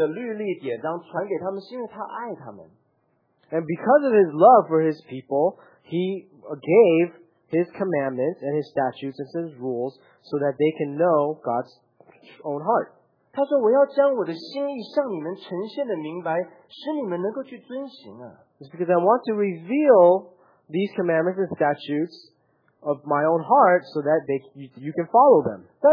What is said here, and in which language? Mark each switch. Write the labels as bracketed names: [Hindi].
[Chinese] 把他的话语借着律例典章传给他们，是因为他爱他们。 [English] And because of his love for his people, he gave his commandments and his statutes and his rules so that they can know God's own heart. [Chinese] 他说我要将我的心意向你们呈现的明白，使你们能够去遵行啊。 [English] It's because I want to reveal these commandments and statutes of my own heart so that they, you can follow them.